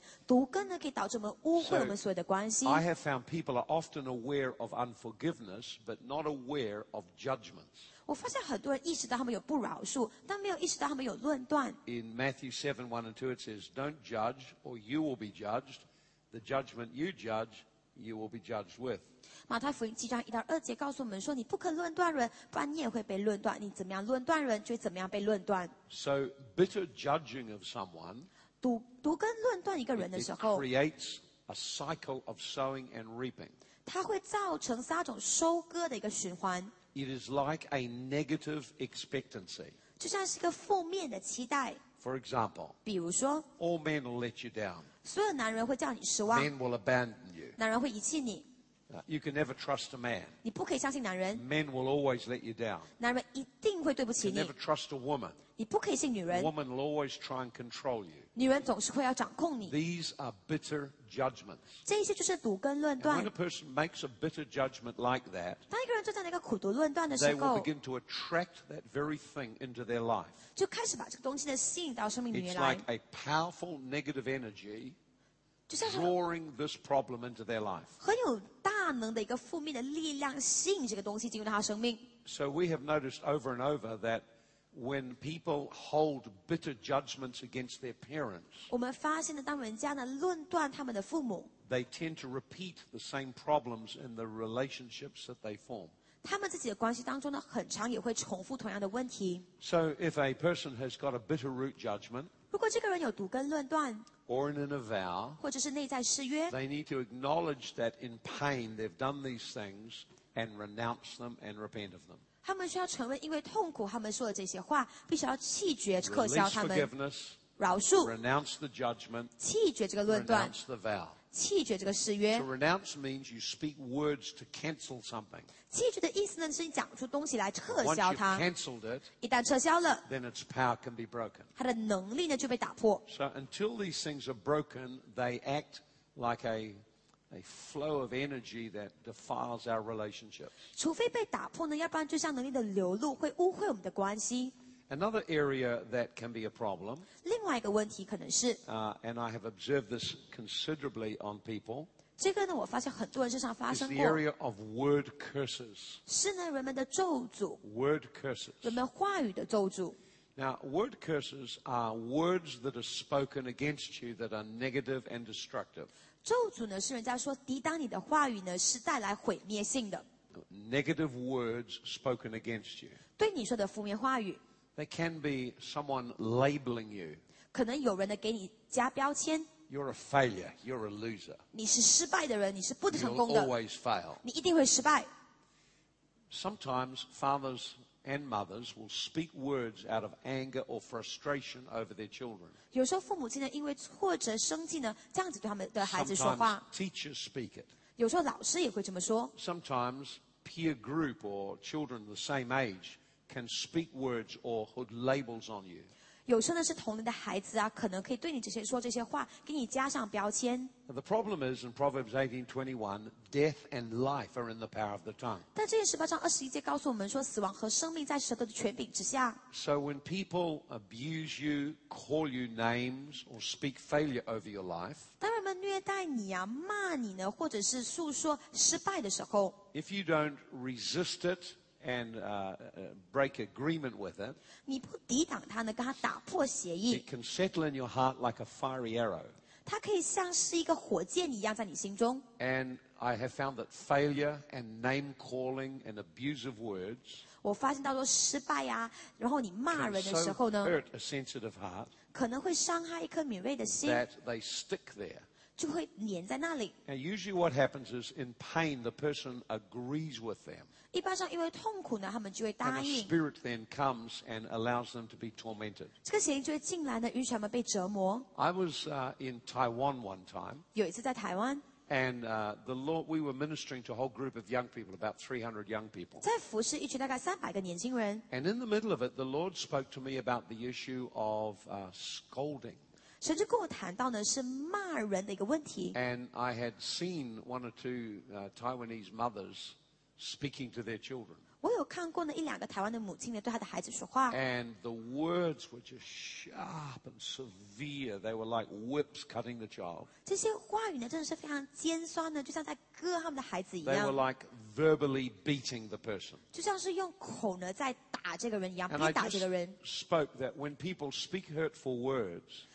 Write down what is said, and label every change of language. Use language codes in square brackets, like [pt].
[zh] 而希伯来书12章15节，圣经警告我们，毒根呢可以导致我们污秽我们所有的关系。 [en] So, I have found people are often aware of unforgiveness, but not aware of judgments. [zh] 我发现很多人意识到他们有不饶恕，但没有意识到他们有论断。 [en] In Matthew 7, 1 and 2, it says, don't judge or you will be judged. The judgment you judge, you will be judged with. [zh] 马太福音7章1到2节告诉我们说，你不可论断人，不然你也会被论断。你怎么样论断人，就会怎么样被论断。 [en] So bitter judging of someone, [zh] 毒根论断一个人的时候, [en] it creates a cycle of sowing and reaping. [zh] 它会造成撒种收割的一个循环。 [en] It is like a negative expectancy. [zh] 就像是一个负面的期待。 [en] For example, [zh] 比如说, [en] all men will let you down. [zh] 所有男人会叫你失望。 [en] Men will abandon you. [zh] 男人会遗弃你。 [en] You can never trust a man. [zh] 你不可以相信男人。 [en] Men will always let you down. [zh] 男人一定会对不起你。 [en] You can never trust a woman. [zh] 你不可以信女人。 [en] A woman will always try and control you. [zh] 女人总是会要掌控你。 [en] These are bitter judgments. [zh] 这些就是毒根论断。 [en] And when a person makes a bitter judgment like that, [zh] 当一个人坐在那个苦毒论断的时候, [en] they will begin to attract that very thing into their life. [zh] 就开始把这个东西呢吸引到生命里面来。 [en] It's like a powerful negative energy drawing this problem into their life. [zh] 很有大能的一个负面的力量吸引这个东西进入到他生命。 [en] So we have noticed over and over that when people hold bitter judgments against their parents, [zh] 我们发现了当人家呢论断他们的父母, [en] they tend to repeat the same problems in the relationships that they form. [zh] 他们自己的关系当中呢，很常也会重复同样的问题。 [en] So if a person has got a bitter root judgment, [zh] 如果这个人有独根论断 [en] or in a vow, [zh] 或者是内在誓约 [en] they need to acknowledge that in pain they've done these things and renounce them and repent of them. [zh] 他们需要承认因为痛苦他们说的这些话，必须要弃绝、撤销他们。 [en] Forgiveness, [zh] 饶恕 [en] renounce the judgment, [zh] 弃绝这个论断 [en] renounce the vow. [zh] 弃绝这个誓约。 [en] To renounce means you speak words to cancel something. [zh] 弃绝的意思呢，是你讲出东西来撤销它。 [en] Once you've cancelled it, [zh] 一旦撤销了 [en] ，then its power can be broken. [zh] 它的能力呢就被打破。 [en] So until these things are broken, they act like a flow of energy that defiles our relationships. [zh] 除非被打破呢，要不然就像能力的流露，会污秽我们的关系。 [en] Another area that can be a problem, [zh] 另外一个问题可能是 [en] and I have observed this considerably on people, [zh] 这个呢我发现很多人身上发生过 [en] is the area of word curses. [zh] 是呢人们的咒诅 [en] word curses. [zh] 人们话语的咒诅 [en] Now, word curses are words that are spoken against you that are negative and destructive. [zh] 咒诅呢是人家说抵挡你的话语呢是带来毁灭性的 [en] Negative words spoken against you. [zh] 对你说的负面话语 [en] They can be someone labeling you. [zh] 可能有人呢给你加标签。 [en] You're a failure. You're a loser. [zh] 你是失败的人，你是不成功的。 [en] You'll always fail. [zh] 你一定会失败。 [en] Sometimes fathers and mothers will speak words out of anger or frustration over their children. [zh] 有时候父母亲呢因为挫折生气呢，这样子对他们的孩子说话。 [en] Sometimes teachers speak it. [zh] 有时候老师也会这么说。 [en] Sometimes peer group or children the same age. Can speak words or put labels on you. [zh] 有时候呢是同龄的孩子啊，可能可以对你这些说这些话，给你加上标签。 [en] The problem is in Proverbs 18:21, death and life are in the power of the tongue. [zh] 但箴言十八章二十一节告诉我们说，死亡和生命在舌头的权柄之下。 [en] So when people abuse you, call you names, or speak failure over your life, [zh] 当人们虐待你啊，骂你呢，或者是诉说失败的时候 [en] ，if you don't resist it. And break agreement with it. [zh] 你不抵挡他呢，跟他打破协议。 [en] It can settle in your heart like a fiery arrow. [zh] 它可以像是一个火箭一样在你心中。 [en] And I have found that failure and name calling and abusive words. [zh] 我发现到说失败啊，然后你骂人的时候呢 [en] ，can so hurt a sensitive heart. [zh] 可能会伤害一颗敏锐的心。 [en] That they stick there. [zh] 就会黏在那里。 [en] Now, usually what happens is in pain, the person agrees with them. [zh] 一般上因为痛苦呢，他们就会答应。 [en] And the spirit then comes and allows them to be tormented. [zh] 这个邪灵就会进来呢，允许他们被折磨。 [en] I was in Taiwan one time. [zh] 有一次在台湾。 [en] And the Lord, we were ministering to a whole group of young people, about 300 young people. [zh] 在服侍一群大概300个年轻人。 [en] And in the middle of it, the Lord spoke to me about the issue of scolding. [zh] 神就跟我谈到呢，是骂人的一个问题。 [en] And I had seen one or two Taiwanese mothers speaking to their children. [zh] 我有看过呢一两个台湾的母亲呢对她的孩子说话。 [en] And the words were just sharp and severe. They were like whips cutting the child. [zh] 这些话语呢真的是非常尖酸的，就像在割他们的孩子一样。 [en] They were like verbally beating the person. [zh] 就像是用口呢在打这个人一样，逼打这个人。 [en] And I just spoke that when people speak hurtful words.